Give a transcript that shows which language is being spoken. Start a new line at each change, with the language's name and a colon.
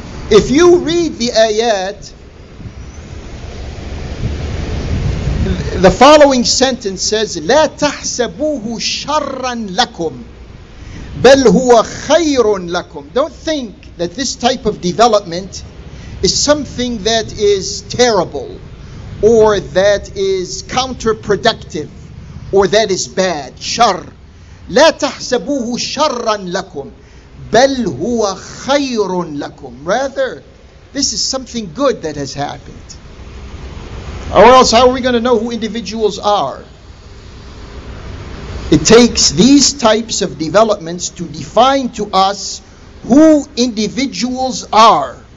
English: If you read the ayat, the following sentence says,
Arabic: لا تحسبوه شرا لكم بل هو خير لكم.
English: Don't think that this type of development is something that is terrible or that is counterproductive or that is bad.
Arabic: شر. لا تحسبوه شرا لكم بل هو خير لكم.
English: Rather, this is something good that has happened. Or else, how are we going to know who individuals are? It takes these types of developments to define to us who individuals are.